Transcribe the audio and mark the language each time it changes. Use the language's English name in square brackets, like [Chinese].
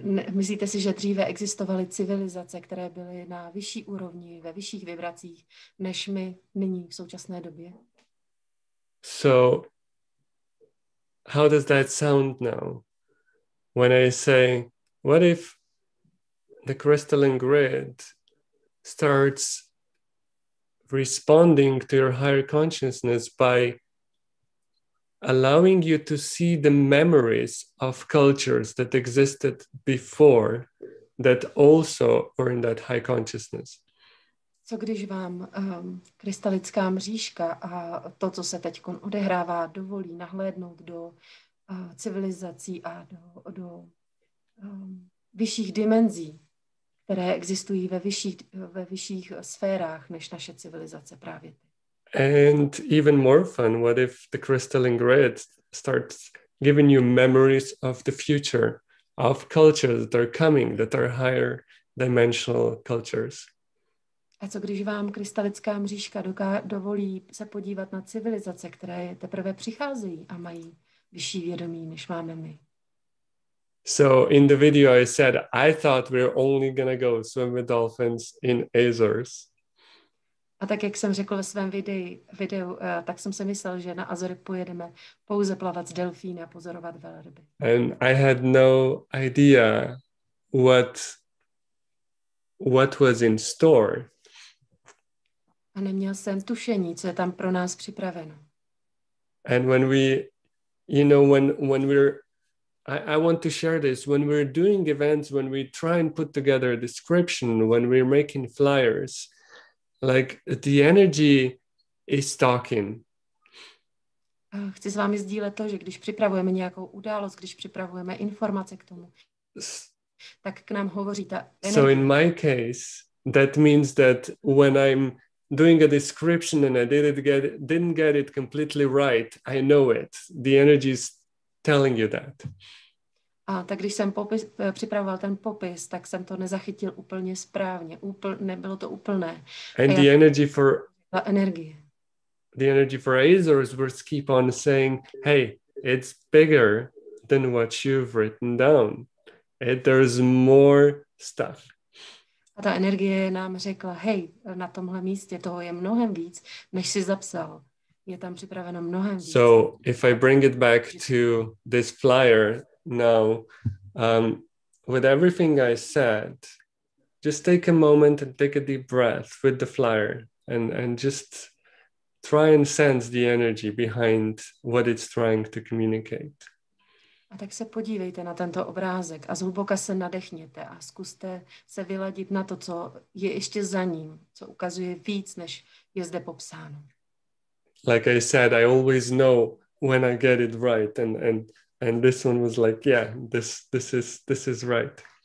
[Czech] Myslíte si, že dříve existovaly civilizace, které byly na vyšší úrovni, ve vyšších vibracích, než my nyní v současné době? [English] So, how does that sound now? When I say, what if the crystalline grid starts responding to your higher consciousness by allowing you to see the memories of cultures that existed before that also were in that high consciousness? [Czech] Co když vám krystalická mřížka a to, co se teď odehrává, dovolí nahlédnout do civilizací a do vyšších dimenzí, které existují ve vyšších sférách než naše civilizace právě. [English] And even more fun, what if the crystalline grid starts giving you memories of the future, of cultures that are coming, that are higher dimensional cultures? [Czech] A co když vám krystalická mřížka dovolí se podívat na civilizace, které teprve přicházejí a mají vyšší vědomí, než máme my? [English] So in the video I said, I thought we're only gonna go swim with dolphins in Azores. [Czech] A tak, jak jsem řekl ve svém videu, tak jsem si myslel, že na Azory pojedeme pouze plavat s delfíny a pozorovat velryby. [English] And I had no idea what was in store. [Czech] A neměl jsem tušení, co je tam pro nás připraveno. [English] And when we, you know, when we're, I want to share this, when we're doing events, when we try and put together a description, when we're making flyers, like the energy is talking. [Czech] Chci s vámi sdílet to, že když připravujeme nějakou událost, když připravujeme informace k tomu, tak k nám hovoří ta energie. [English] So in my case, that means that when I'm doing a description and I didn't get it completely right, I know it. The energy is telling you that. [Czech] A tak když jsem připravoval ten popis, tak jsem to nezachytil úplně správně. Nebylo to úplné. [English] And the energy for [Czech] ta energie. [English] The energy for Azores was keep on saying, hey, it's bigger than what you've written down. There's more stuff. [Czech] A ta energie nám řekla, hej, na tomhle místě toho je mnohem víc, než si zapsal. Je tam připraveno mnohem víc. [English] So if I bring it back to this flyer now, with everything I said, just take a moment and take a deep breath with the flyer and just try and sense the energy behind what it's trying to communicate. [Czech] A tak se podívejte na tento obrázek a zhluboka se nadechněte a zkuste se vyladit na to, co je ještě za ním, co ukazuje víc, než je zde popsáno. [English] Like I said, I always know when I get it right and this one was like, yeah, this is right.